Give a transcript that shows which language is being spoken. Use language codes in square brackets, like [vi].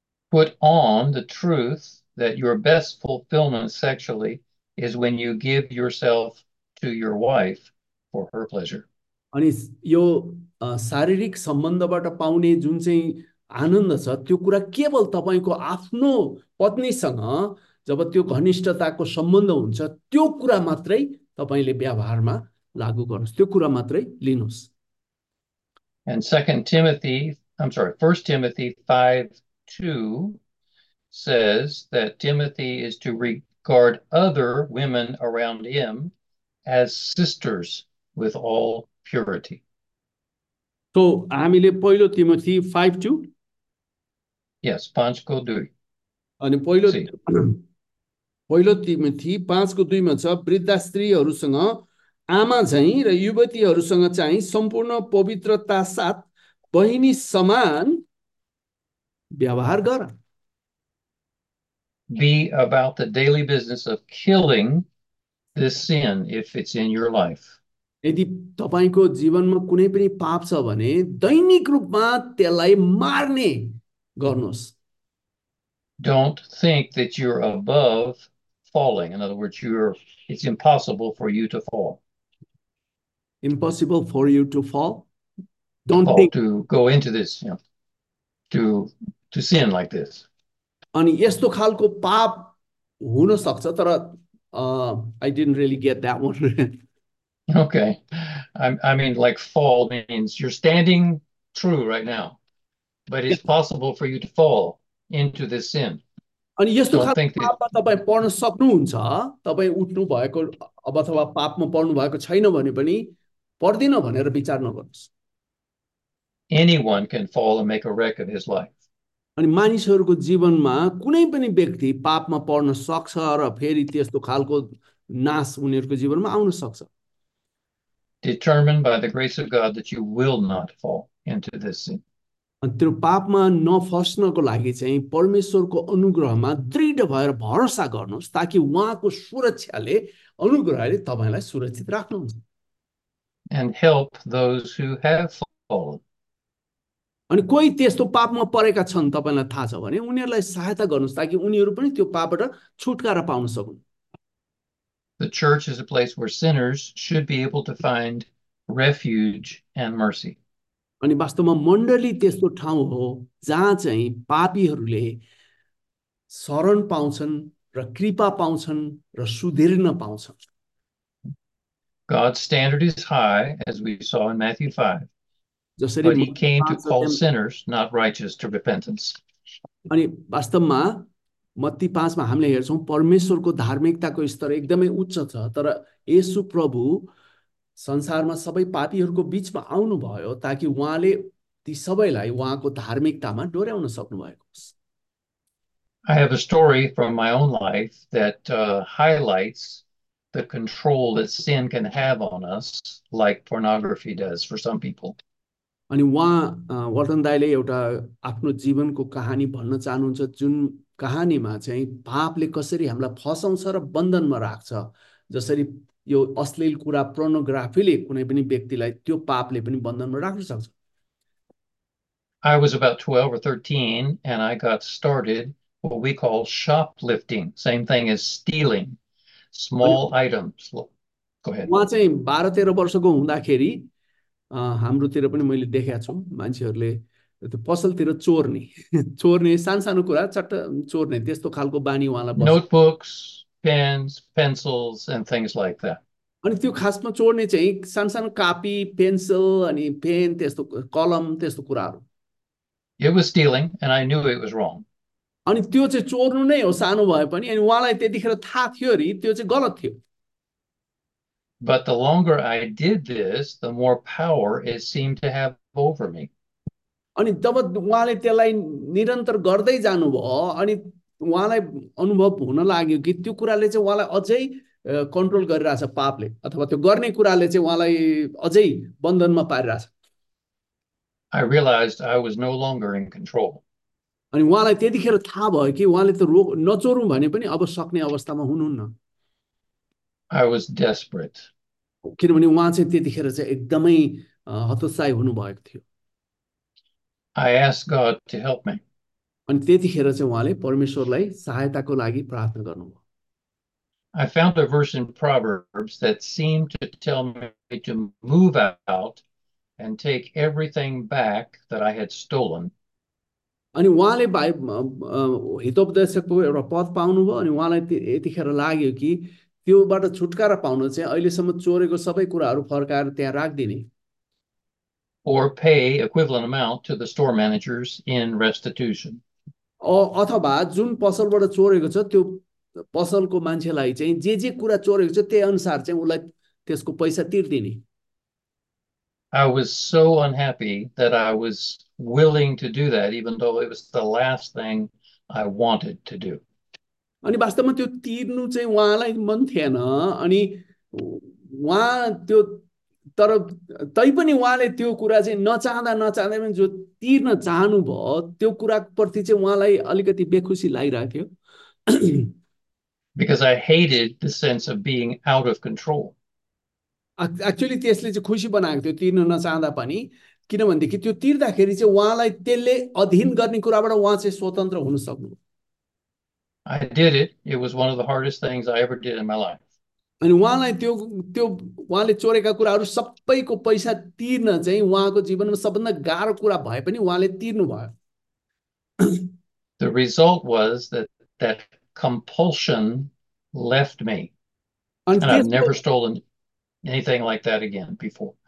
[en] Put on the truth that your best fulfillment sexually is when you give yourself to your wife for her pleasure. [ne] अनि यो शारीरिक सम्बन्धबाट पाउने जुन चाहिँ आनन्द छ त्यो कुरा केवल तपाईँको आफ्नो पत्नीसँग जब त्यो घनिष्ठताको सम्बन्ध हुन्छ त्यो कुरा मात्रै तपाईँले व्यवहारमा लागु गर्नुहोस् त्यो कुरा मात्रै लिनुहोस् [en] And 1 Timothy 5:2 says that Timothy is to regard other women around him as sisters with all purity. So, [ne] हामीले पहिलो तिमोथी 5:2 [en] Yes, 5:2. [ne] अनि पहिलो पहिलो तिमोथी 5:2 छ वृद्धा स्त्रीहरूसँग आमा झैँ र युवतीहरूसँग चाहिँ सम्पूर्ण पवित्रता साथ बहिनी समान व्यवहार गर [en] Be about the daily business of killing this sin if it's in your life. [ne] यदि तपाईँको जीवनमा कुनै पनि पाप छ भने दैनिक रूपमा त्यसलाई मार्ने गर्नुहोस् [en] Don't think that you're above falling. In other words, it's impossible for you to fall. Impossible for you to fall? Don't think. To go into this, you know, to sin like this. [ne] अनि यस्तो खालको पाप हुन सक्छ तर [en] I didn't really get that one. Okay. I mean, like fall means you're standing true right now, but it's possible for you to fall into this sin. [ne] अनि यस्तो [en] Don't [ne] खालको [en] think that. [ne] पापमा तपाईँ पर्न सक्नुहुन्छ तपाईँ उठ्नु भएको अथवा पापमा पर्नु भएको छैन भने पनि पर्दिन भनेर विचार नगर्नुहोस् [en] Anyone can fall and make a wreck of his life. [ne] अनि मानिसहरूको जीवनमा कुनै पनि व्यक्ति पापमा पर्न सक्छ र फेरि त्यस्तो खालको नाश उनीहरूको जीवनमा आउन सक्छ [en] Determined by the grace of God that you will not fall into this sin. [ne] त्यो पापमा नफस्नको लागि चाहिँ परमेश्वरको अनुग्रहमा दृढ भएर भरोसा गर्नुहोस् ताकि उहाँको सुरक्षाले अनुग्रहले तपाईँलाई सुरक्षित राख्नुहुन्छ [en] And help those who have fallen. [ne] अनि कोही त्यस्तो पापमा परेका छन् तपाईँलाई थाहा छ भने उनीहरूलाई सहायता गर्नुहोस् ताकि उनीहरू पनि त्यो पापबाट छुटकारा पाउन सकुन् [en] The church is a place where sinners should be able to find refuge and mercy. [ne] अनि वास्तवमा मण्डली त्यस्तो ठाउँ हो जहाँ चाहिँ पापीहरूले शरण पाउँछन् र कृपा पाउँछन् र सुधीर्न पाउँछन् [en] God's standard is high, as we saw in Matthew 5, [ne] जसरी [en] but he came to call sinners, not righteous, to repentance. [ne] अनि वास्तवमा मत्ती 5 हामीले हेर्छौँ परमेश्वरको धार्मिकताको स्तर एकदमै उच्च छ तर येशु प्रभु संसारमा सबै पापीहरूको बिचमा आउनुभयो ताकि उहाँले ती सबैलाई उहाँको धार्मिकतामा डोर्याउन सक्नुभएको होस् [en] I have a story from my own life that highlights the control that sin can have on us, like pornography does for some people. [ne] अनि उहाँ वर्धन दाईले एउटा आफ्नो जीवनको कहानी भन्न चाहनुहुन्छ जुन कहानीमा चाहिँ पापले कसरी हामीलाई फसाउँछ र बन्धनमा राख्छ जसरी यो अश्लील कुरा प्रोनोग्राफीले कुनै पनि व्यक्तिलाई त्यो पापले पनि बन्धनमा राख्न सक्छ [en] I was about 12 or 13, and I got started what we call shoplifting, same thing as stealing small items. Go ahead. [ne] म चाहिँ 12 13 वर्षको हुँदाखेरि हाम्रोतिर पनि मैले देखेको छु मान्छेहरूले त्यो पसलतिर चोर्ने चोर्ने सानसानो कुरा चट्ट चोर्ने त्यस्तो खालको बानी उहाँलाई बस्छ [en] Notebooks, pens, pencils, and things like that. [ne] अनि त्यो खासमा चोर्ने चाहिँ सानसानो कापी पेन्सिल अनि पेन त्यस्तो कलम त्यस्तो कुराहरू [en] It was stealing, and I knew it was wrong. [ne] अनि त्यो चाहिँ चोर्नु नै हो सानो भए पनि अनि उहाँलाई त्यतिखेर थाहा थियो अरे त्यो चाहिँ गलत थियो [en] But the longer I did this, the more power it seemed to have over me. [ne] अनि जब उहाँले त्यसलाई निरन्तर गर्दै जानुभयो अनि उहाँलाई अनुभव हुन लाग्यो कि त्यो कुराले चाहिँ उहाँलाई अझै कन्ट्रोल गरिरहेछ पापले अथवा त्यो गर्ने कुराले चाहिँ उहाँलाई अझै बन्धनमा पारिरहेछ [en] I realized I was no longer in control. [ne] अनि उहाँलाई त्यतिखेर थाहा भयो कि उहाँले त रोक नचोरौँ भने पनि अब सक्ने अवस्थामा हुनुहुन्न [en] I was desperate. [ne] किनभने उहाँ चाहिँ त्यतिखेर चाहिँ एकदमै हतोत्साह हुनुभएको थियो [en] I asked God to help me. [ne] अनि त्यतिखेर चाहिँ उहाँले परमेश्वरलाई सहायताको लागि प्रार्थना गर्नुभयो [en] I found a verse in Proverbs that seemed to tell me to move out and take everything back that I had stolen. [ne] अनि उहाँले भाइ हितोपदेशकको एउटा पद पाउनुभयो अनि उहाँलाई यतिखेर लाग्यो कि त्योबाट छुटकारा पाउनु चाहिँ अहिलेसम्म चोरेको सबै कुराहरू फर्काएर त्यहाँ राखिदिने [en] Or pay equivalent amount to the store managers in restitution. [ne] अथवा जुन पसलबाट चोरेको छ त्यो पसलको मान्छेलाई चाहिँ जे जे कुरा चोरेको छ त्यही अनुसार चाहिँ उसलाई त्यसको पैसा तिर्दिने [en] I was so unhappy that I was willing to do that, even though it was the last thing I wanted to do. [ne] अनि वास्तवमा त्यो तिर्नु चाहिँ उहाँलाई मन थिएन अनि उहाँ त्यो तर तैपनि उहाँले त्यो कुरा चाहिँ नचाहँदा नचाहँदै पनि जो तिर्न चाहनुभयो त्यो कुराप्रति चाहिँ उहाँलाई अलिकति बेखुसी लागिरहेको थियो [en] Because I hated the sense of being out of control. [ne] Actually त्यसले चाहिँ खुसी बनाएको थियो तिर्न नचाहँदा पनि किनभनेदेखि त्यो तिर्दाखेरि चाहिँ उहाँलाई त्यसले अधीन गर्ने कुराबाट उहाँ चाहिँ स्वतन्त्र हुन सक्नु [en] I did it. It was one of the hardest things I ever did in my life. [ne] अनि उहाँलाई त्यो त्यो उहाँले चोरेका कुराहरू सबैको पैसा तिर्न चाहिँ उहाँको जीवनमा सबभन्दा गाह्रो कुरा भए पनि उहाँले तिर्नुभयो [en] The result was that compulsion left me, [ne] अनि [en] and I've [ne] त्यसको [en] never stolen anything like that again before.